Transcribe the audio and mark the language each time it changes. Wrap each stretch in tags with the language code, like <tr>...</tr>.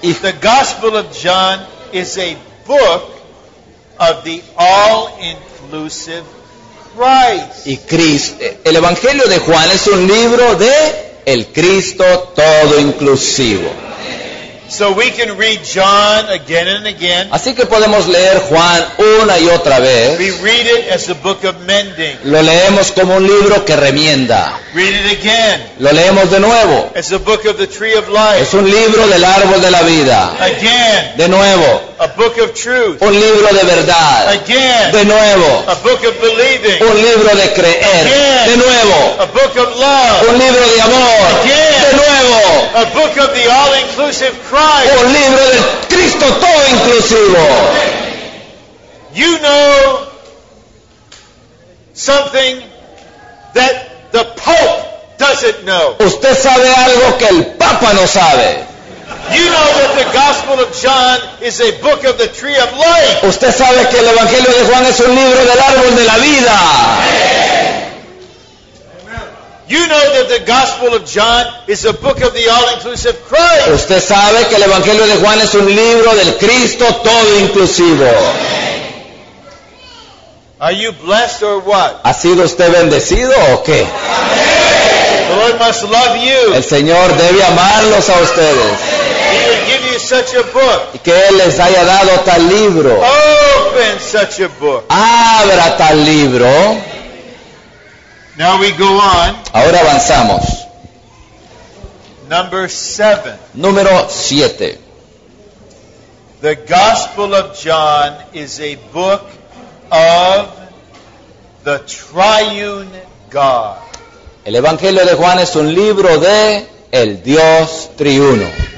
<en>The Gospel of John is a book of the all-inclusive Christ.</en> <es>Y Cristo, el Evangelio de Juan es un libro de el Cristo todo inclusivo.</es> <en>So we can read John again and again.</en> <es>Así que podemos leer Juan una y otra vez.</es> <en>We read it as a book of mending.</en> <es>Lo leemos como un libro que remienda.</es> <en>Read it again.</en> <es>Lo leemos de nuevo.</es> <en>As a book of the tree of life.</en> <es>Es un libro del árbol de la vida.</es> <en>Again.</en> <es>De nuevo.</es> <en>A book of truth.</en> <es>Un libro de verdad.</es> <en>Again.</en> <es>De nuevo.</es> <en>A book of believing.</en> <es>Un libro de creer.</es> <en>Again.</en> <es>De nuevo.</es> <en>A book of love.</en> <es>Un libro de amor.</es> <en>Again.</en> <es>De nuevo.</es> <en>A book of the all-inclusive Christ.</en> <es>Un libro del Cristo todo inclusivo.</es> <en>You know something that the Pope doesn't know.</en> <es>Usted sabe algo que el Papa no sabe.</es> <en>You know that the Gospel of John is a book of the tree of life.</en> <es>Usted sabe que el Evangelio de Juan es un libro del árbol de la vida.</es> <en>You know that the Gospel of John is a book of the all-inclusive Christ.</en> <es>Usted sabe que el Evangelio de Juan es un libro del Cristo todo inclusivo.</es> <en>Are you blessed or what?</en> <es>¿Ha sido usted bendecido o qué?</es> <en>The Lord must love you.</en> <es>El Señor debe amarlos a ustedes.</es> <en>He would give you such a book.</en> <es>Y que Él les haya dado tal libro.</es> <en>Open such a book.</en> <es>Abra tal libro.</es> <en>Now we go on.</en> <es>Ahora avanzamos.</es> <en>Number 7.</en> <es>Número 7.</es> <en>The Gospel of John is a book of the triune God.</en> <es>El Evangelio de Juan es un libro de el Dios triuno.</es>